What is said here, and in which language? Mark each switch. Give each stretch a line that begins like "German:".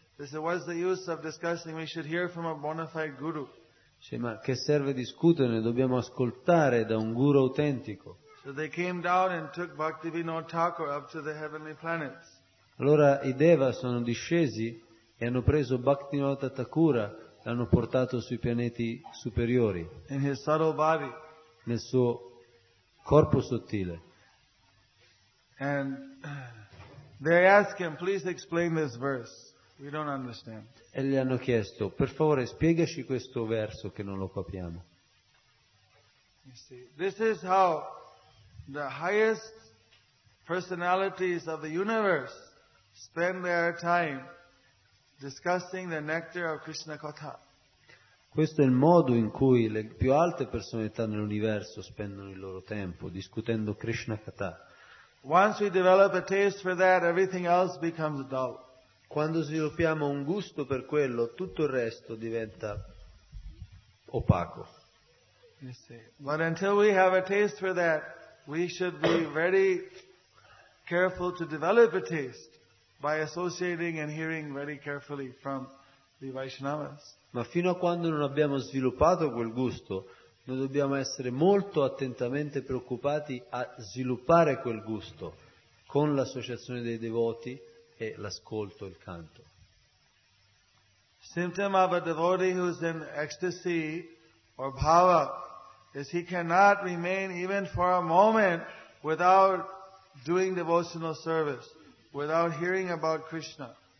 English: They said, "What's the use of discussing? We should hear from a bona fide guru."
Italian: Cioè, ma che serve discuterne? Dobbiamo ascoltare da un guru autentico.
English: So they came down and took Bhaktivinoda Thakur up to the heavenly planets.
Italian: Allora i Deva sono discesi e hanno preso Bhaktivinoda Thakura e l'hanno portato sui pianeti superiori.
English: In his subtle body.
Italian: Nel suo corpo sottile.
English: And they ask him, "Please explain this verse. We don't understand."
Italian: E gli hanno chiesto, "Per favore, spiegaci questo verso che non lo capiamo."
English: This is how the highest personalities of the universe spend their time discussing the nectar of Krishna Katha.
Italian: Questo è il modo in cui le più alte personalità nell'universo spendono il loro tempo discutendo Krishna Katha.
English: Once we develop a taste for that, everything else becomes dull.
Italian: Quando sviluppiamo un gusto per quello, tutto il resto diventa opaco.
English: But until we have a taste for that, we should be very careful to develop a taste by associating and hearing very carefully from the Vaishnavas.
Italian: Ma fino a quando non abbiamo sviluppato quel gusto, noi dobbiamo essere molto attentamente preoccupati a sviluppare quel gusto con l'associazione dei devoti e l'ascolto, il canto.
English: Symptom of a devotee who is in ecstasy or bhava is he cannot remain even for a moment without doing devotional service, without hearing about Krishna.